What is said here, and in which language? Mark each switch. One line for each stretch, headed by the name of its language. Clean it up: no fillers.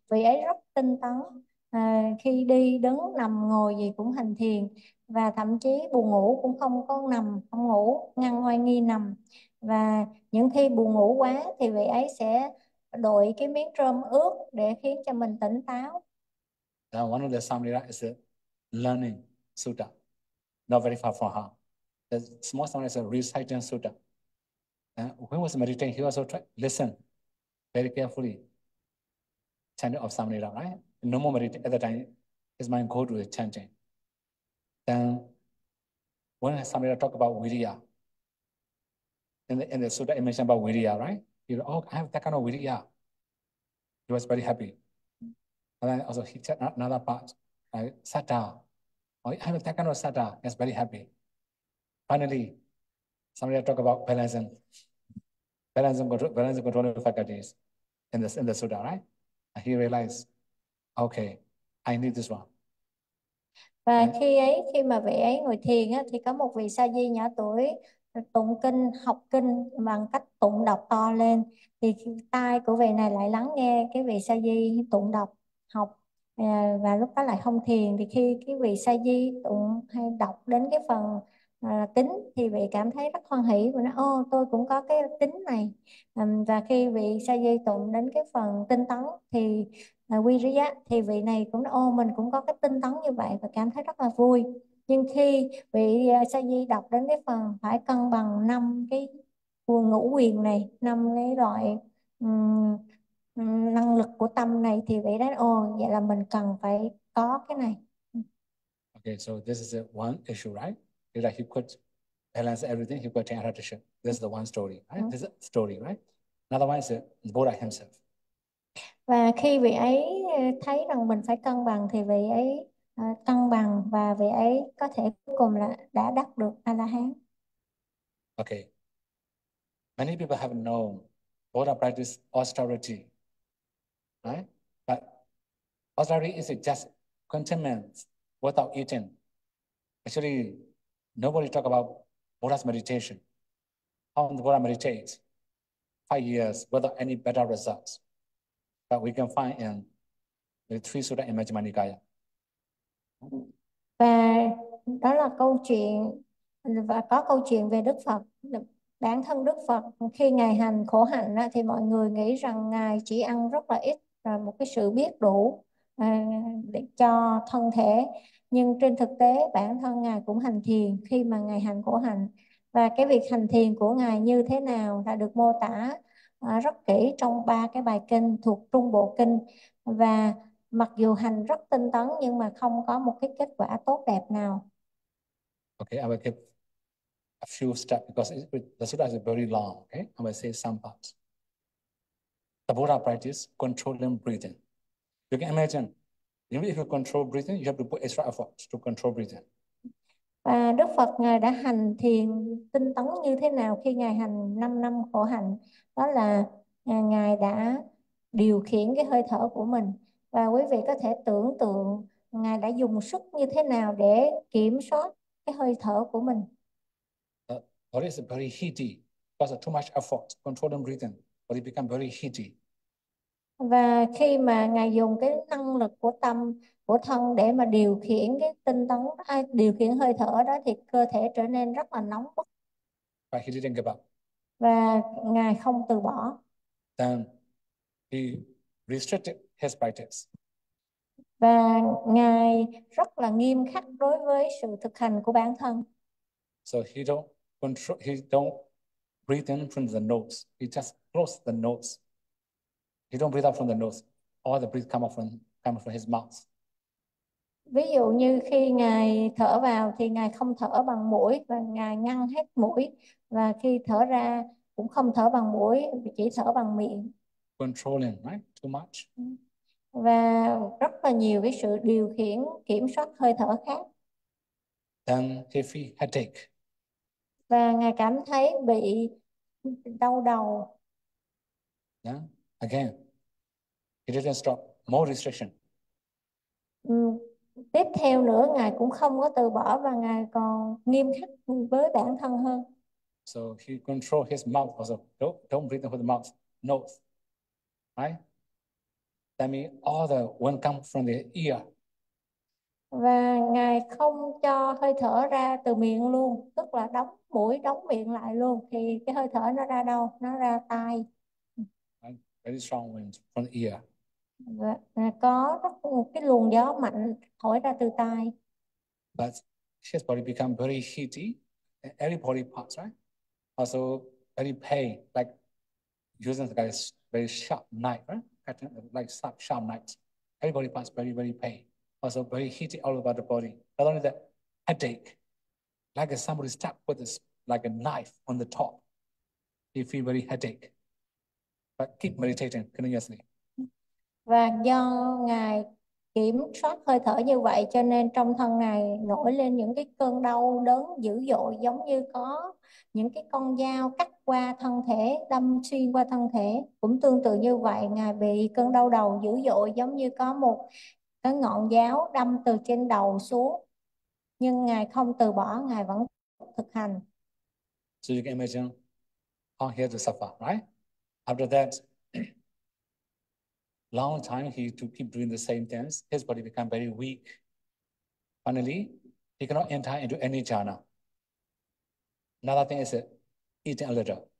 Vietnamese: Vị ấy rất tinh tấn, khi đi đứng nằm ngồi gì cũng hành thiền, và thậm chí buồn ngủ cũng không có nằm không ngủ, ngăn oai nghi nằm. Và những khi buồn ngủ quá thì vị ấy sẽ đội cái miếng rơm ướt để khiến cho mình tỉnh táo.
English: Now one of the samnira is a learning sutta, not very far from her. The small samnira is a reciting sutta. And when he was meditating, he also tried listen very carefully. Chanting of samnira, right? No more meditating at the time. His mind go to the chanting. Then when samnira talk about viriya, in the sutta, it mentioned about viriya, right? He said, oh, I have that kind of viriya. He was very happy. And then also he said another part, satta. Oh, I have that kind of satta. He was very happy. Finally, somebody talk about balancing control of faculties in the sutta, right? And he realized, okay, I need this one.
Vietnamese: Và khi ấy, khi mà vị ấy ngồi thiền á, thì có một vị sa di nhỏ tuổi tụng kinh, học kinh bằng cách tụng đọc to lên, thì tai của vị này lại lắng nghe cái vị sa di tụng đọc học, và lúc đó lại không thiền. Thì khi cái vị sa di tụng hay đọc đến cái phần tính thì vị cảm thấy rất hoan hỷ và nói ô tôi cũng có cái tính này. Và khi vị sa di tụng đến cái phần tinh tấn thì viriya, thì vị này cũng nói ô mình cũng có cái tinh tấn như vậy và cảm thấy rất là vui. Nhưng khi vị sa di đọc đến cái phần phải cân bằng năm cái quần ngũ quyền này, năm cái loại năng lực của tâm này, thì vị đó ô vậy là mình cần phải có cái này.
English: Okay, so this is one issue, right? That like he could balance everything, he could attain attention. This is the one story, right? This is a story, right? Another one is Buddha himself.
Vietnamese: Và khi vị ấy thấy rằng mình phải cân bằng thì vị ấy cân bằng, và vị ấy có thể cuối cùng là đã đắc được A La Hán.
English: Okay. Many people have known Buddha practice austerity, right? But austerity is just contentment without eating. Actually, nobody talk about Buddha's meditation. How the Buddha meditates 5 years without any better results. that we can find in the three sutta in Majjhima
Vietnamese: Và đó là câu chuyện, và có câu chuyện về Đức Phật. Bản thân Đức Phật khi Ngài hành khổ hạnh thì mọi người nghĩ rằng Ngài chỉ ăn rất là ít, là một cái sự biết đủ để cho thân thể. Nhưng trên thực tế bản thân Ngài cũng hành thiền khi mà Ngài hành khổ hạnh. Và cái việc hành thiền của Ngài như thế nào đã được mô tả rất kỹ trong ba cái bài kinh thuộc Trung Bộ Kinh. Và mặc dù hành rất tinh tấn nhưng mà không có một cái kết quả tốt đẹp nào.
English: Okay, I will keep a few steps because the sutta is very long. Okay, I will say some parts. The Buddha practice controlling breathing. You can imagine, even if you control breathing, you have to put extra effort to control breathing.
Vietnamese: Và Đức Phật Ngài đã hành thiền tinh tấn như thế nào khi Ngài hành 5 năm khổ hạnh? Đó là Ngài đã điều khiển cái hơi thở của mình. Và quý vị có thể tưởng tượng Ngài đã dùng sức như thế nào để kiểm soát cái hơi thở của mình.
English: Body is very heaty because of too much effort controlling breathing. Body become very heaty.
Vietnamese: Và khi mà Ngài dùng cái năng lực của tâm, của thân để mà điều khiển cái tinh tấn, ai điều khiển hơi thở đó thì cơ thể trở nên rất là nóng bức.
English: But he didn't give up.
Vietnamese: Và Ngài không từ bỏ.
English: Then he restricted his practice.
Vietnamese: Và Ngài rất là nghiêm khắc đối với sự thực hành của bản thân.
English: So he don't control, he don't breathe in from the nose. He just close the nose. He don't breathe out from the nose. All the breath come from his mouth.
Vietnamese: Ví dụ như khi Ngài thở vào thì Ngài không thở bằng mũi và Ngài ngăn hết mũi, và khi thở ra cũng không thở bằng mũi, chỉ thở bằng miệng.
English: Controlling, right? Too much.
Vietnamese: Và rất là nhiều cái sự điều khiển kiểm soát hơi thở khác.
English: Then if he headache.
Vietnamese: Và Ngài cảm thấy bị đau đầu.
English: Yeah. Again, he didn't stop. More restriction.
Vietnamese: Tiếp theo nữa Ngài cũng không có từ bỏ và Ngài còn nghiêm khắc với bản thân hơn.
English: So he control his mouth also. Don't breathe through the mouth. Nose. Right? That means all the wind come from the ear.
Vietnamese: Và Ngài không cho hơi thở ra từ miệng luôn, tức là đóng mũi, đóng miệng lại luôn, thì cái hơi thở nó ra đâu? Nó ra tai.
English: Very strong wind from the ear.
Vietnamese: Có rất một cái luồng gió mạnh thổi ra từ tai.
English: But his body become very heaty, and every body parts, right? Also very pain, like using the guy's very sharp knife, right? Cutting like sharp knives. Everybody parts very, very pain. Also very heaty all over the body. Not only that, headache, like somebody stabbed with this, like a knife on the top. You feel very headache. But keep meditating continuously.
Vietnamese: Và do Ngài kiểm soát hơi thở như vậy cho nên trong thân Ngài nổi lên những cái cơn đau đớn dữ dội, giống như có những cái con dao cắt qua thân thể, đâm xuyên qua thân thể. Cũng tương tự như vậy, Ngài bị cơn đau đầu dữ dội giống như có một cái ngọn giáo đâm từ trên đầu xuống. Nhưng Ngài không từ bỏ, Ngài vẫn thực hành.
English: So you can imagine how he had to suffer, right? After that, long time he to keep doing the same things, his body become very weak. Finally, he cannot enter into any jhana. Another thing is eating a little.